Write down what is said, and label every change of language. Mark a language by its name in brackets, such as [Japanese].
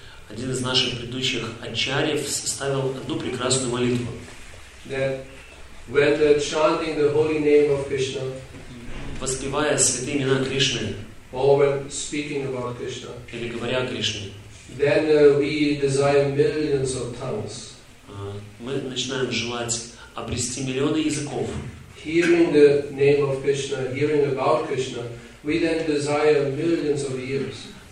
[Russian] Один из наших предыдущих ачарьев составил одну прекрасную молитву. [English] When chanting the holy name of Krishna, [Russian] воспевая святые имена Кришны, [English] or when speaking about Krishna, [Russian] или говоря о Кришне, [English] then we desire millions of tongues. [Russian] Мы начинаем желать обрести миллионы языков. [English] Hearing the name of Krishna, hearing about Krishna, we then desire millions of ears.